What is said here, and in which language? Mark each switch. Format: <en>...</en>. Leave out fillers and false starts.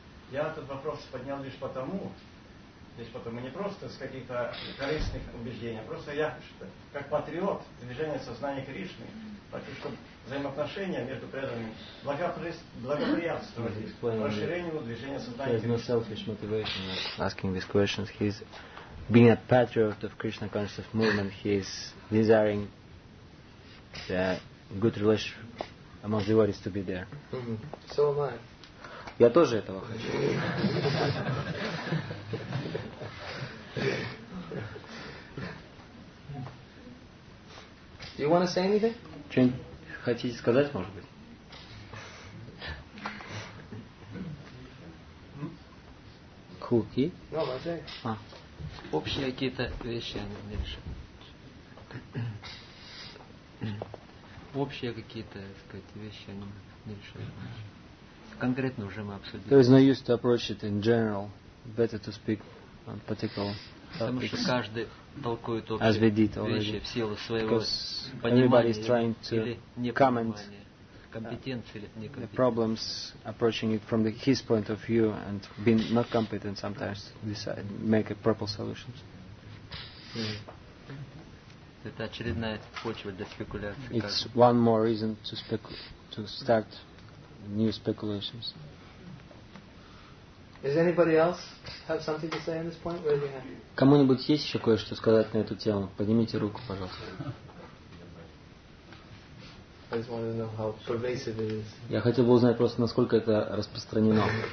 <ru>Я этот вопрос поднял лишь потому, не просто с каких-то корыстных убеждений, а просто я, как патриот движения сознания Кришны, хочу, чтобы взаимоотношения между преданными благоприятствовали расширению движения сознания Кришны.</ru> <en>He has no selfish motivation of asking these questions. He's being a patriot of Krishna conscious movement. He is desiring the good relationship among devotees to be there. Mm-hmm. So am I.</en> <ru>Я тоже этого хочу.</ru> <en>Do you want to say anything?</en> <ru>Что-нибудь хотите сказать, может быть? Куки?</ru> <en>No, I say. А.</en> <ru>Общие какие-то вещи они не решают. Общие какие-то, так сказать, вещи они не решают. Конкретно уже мы обсудили.</ru> <en>There is no use to approach it in general. Better to speak on particular.</en> <ru>Потому что каждый толкует общие вещи в силу своего понимания или непонимания, компетенции или некомпетенции.</ru> <en>Problems approaching it from his point of view and being not competent sometimes to decide, make a proper solutions.</en> <ru>Это очередная почва для спекуляции.</ru> <en>It's one more reason to start new speculations. Does anybody else have something to say on this point? Where do you have?</en> <ru>Кому-нибудь есть еще кое-что сказать на эту тему? Поднимите руку, пожалуйста.</ru> <en>I just wanted to know how pervasive it is.</en> <ru>Я хотел бы узнать просто, насколько это распространено.</ru>